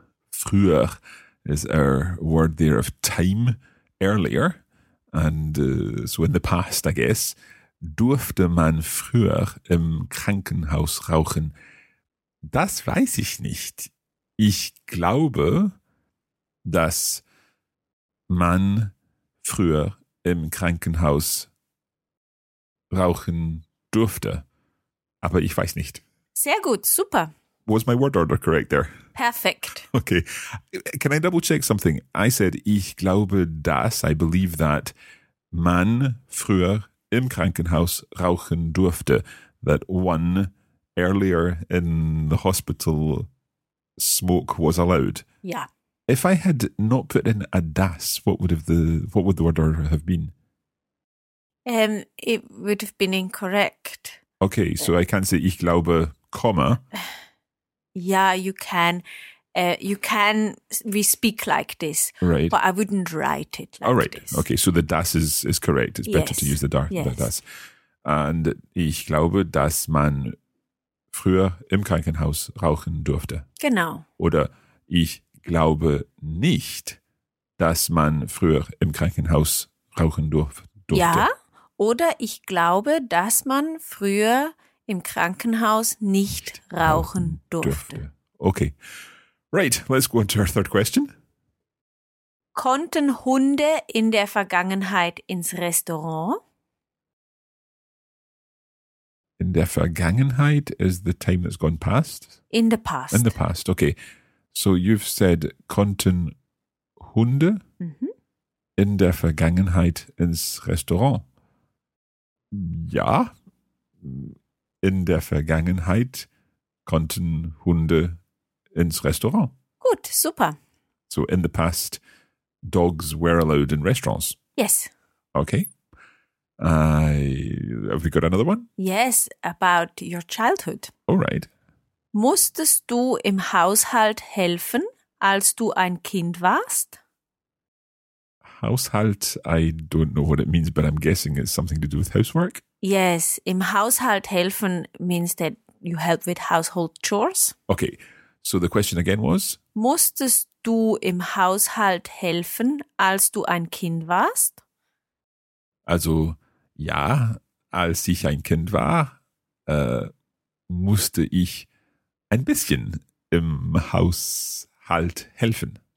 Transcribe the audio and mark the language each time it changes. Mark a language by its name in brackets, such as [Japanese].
[English] Früher is our word there of time, earlier. And so in the past, I guess, [German] durfte man früher im Krankenhaus rauchen? Das weiß ich nicht. Ich glaube, dass man früher im Krankenhaus rauchen durfte. Aber ich weiß nicht. Sehr gut, super. [English] Was my word order correct there? Perfect. Okay. Can I double check something? I said, [German] ich glaube, dass, [English] I believe that, [German] man früher im Krankenhaus rauchen durfte, [English] that one earlier in the hospital smoke was allowed. Yeah. If I had not put in a das, what would the word order have been? It would have been incorrect. Okay, so I can't say [German] ich glaube, [English] comma. Yeah, you can. You can, we speak like this, right. But I wouldn't write it like all right. This. Okay, so the das is correct. It's better to use the das. [German] And ich glaube, dass man früher im Krankenhaus rauchen durfte. Genau. Oder ich glaube nicht, dass man früher im Krankenhaus rauchen durfte. Ja, oder ich glaube, dass man früher im Krankenhaus nicht rauchen durfte. [English] Okay. Right, let's go on to our third question. [German] Konnten Hunde in der Vergangenheit ins Restaurant? In der Vergangenheit [English] is the time that's gone past? In the past. In the past, okay. So you've said, [German] konnten Hunde in der Vergangenheit ins Restaurant? Ja, in der Vergangenheit konnten Hunde ins Restaurant. Gut, super. [English] So in the past, dogs were allowed in restaurants? Yes. Okay. Have we got another one? Yes, about your childhood. All right. [German] Musstest du im Haushalt helfen, als du ein Kind warst? [English] Haushalt, I don't know what it means, but I'm guessing it's something to do with housework. Yes, [German] im Haushalt helfen [English] means that you help with household chores. Okay. So the question again was? [German] Musstest du im Haushalt helfen, als du ein Kind warst? Also ja, als ich ein Kind war, musste ich ein bisschen im Haushalt helfen.